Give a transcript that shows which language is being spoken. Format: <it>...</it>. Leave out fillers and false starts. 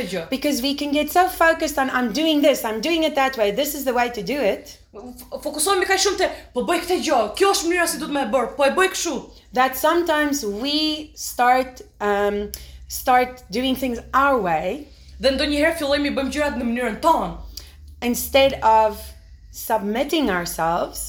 <en>Because we can get so focused on, I'm doing this, I'm doing it that way, this is the way to do it.</en> <sq>Fokusohemi kaq shumë te po bëj këtë gjë. Kjo është mënyra si duhet më e bër. Po e bëj kështu.</sq> <en>That sometimes we start doing things our way.</en> <sq>Dhe ndonjëherë fillojmë bëjmë gjërat në mënyrën tonë.</sq> <en>Instead of submitting ourselves.</en>